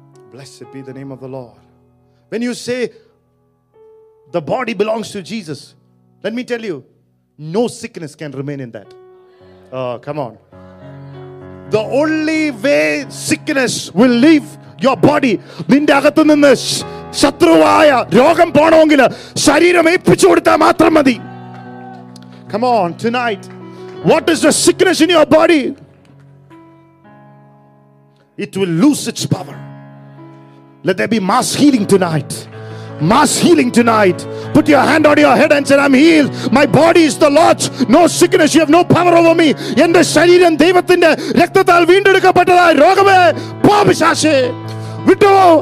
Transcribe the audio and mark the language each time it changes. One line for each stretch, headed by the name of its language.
English: Blessed be the name of the Lord. When you say the body belongs to Jesus, let me tell you, no sickness can remain in that. Oh, come on. The only way sickness will leave your body,
Malayalam: നിന്റെ അകത്തു നിന്ന് ശത്രുവായ രോഗം പോണമെങ്കിൽ ശരീരം ഏൽപ്പിച്ചു കൊടുത്താൽ മാത്രം മതി.
English: Come on, tonight, what is the sickness in your body? It will lose its power. Let there be mass healing tonight. Mass healing tonight. Put your hand on your head and say, I'm healed. My body is the Lord's. No sickness. You have no power over me.
Malayalam: എന്റെ ശരീരം ദൈവത്തിന്റെ രക്തത്താൽ വീണ്ടെടുക്കപ്പെട്ടതായി രോഗമേ പോ പിശാചേ വിട്ടോ.